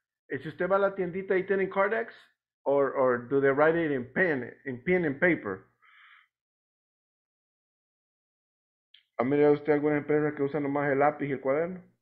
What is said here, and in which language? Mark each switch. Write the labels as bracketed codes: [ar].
[es] Si usted va a la tiendita y tienen Cardex? [en] Or do they write it in pen and paper? [es] ¿Ha mirado usted alguna empresa que usa nomás el lápiz y el cuaderno?